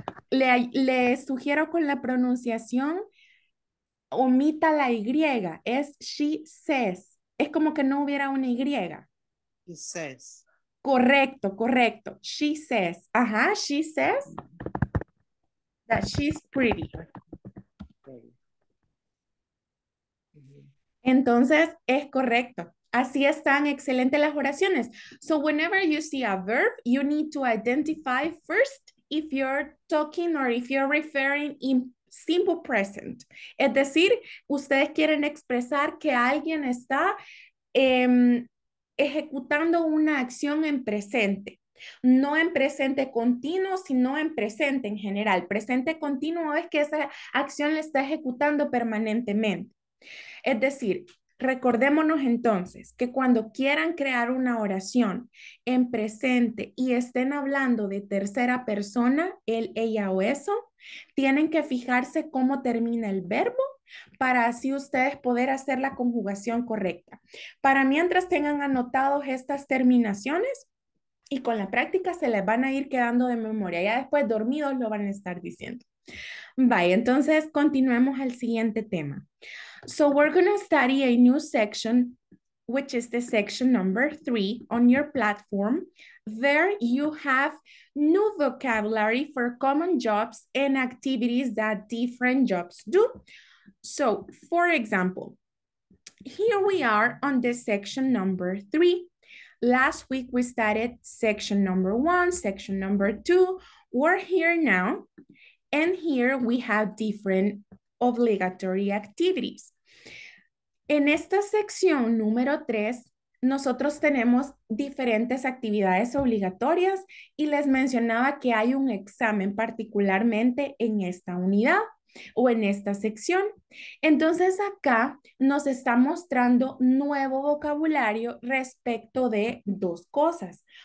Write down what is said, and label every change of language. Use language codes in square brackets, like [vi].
[es] Le sugiero con la pronunciación, omita la Y, es [en] she says, [es] es como que no hubiera una Y. [en] She says. [es] Correcto, correcto, [en] she says, [es] ajá, [en] she says that she's pretty. [es] Entonces, es correcto, así están excelentes las oraciones. [en] So whenever you see a verb, you need to identify first if you're talking or if you're referring in simple present. [es] Es decir, ustedes quieren expresar que alguien está ejecutando una acción en presente. No en presente continuo, sino en presente en general. Presente continuo es que esa acción la está ejecutando permanentemente. Es decir, recordémonos entonces que cuando quieran crear una oración en presente y estén hablando de tercera persona, él, ella o eso, tienen que fijarse cómo termina el verbo para así ustedes poder hacer la conjugación correcta. Para mientras tengan anotados estas terminaciones y con la práctica se les van a ir quedando de memoria. Ya después dormidos lo van a estar diciendo. Bye, entonces continuemos al siguiente tema. [en] So we're going to study a new section, which is the section number 3 on your platform. There you have new vocabulary for common jobs and activities that different jobs do. So, for example, here we are on the section number 3. Last week we studied section number 1, section number 2. We're here now, and here we have different obligatory activities. [es] En esta sección número 3, nosotros tenemos diferentes actividades obligatorias y les mencionaba que hay un examen particularmente en esta unidad o en esta sección. Entonces acá nos está mostrando nuevo vocabulario respecto de dos cosas.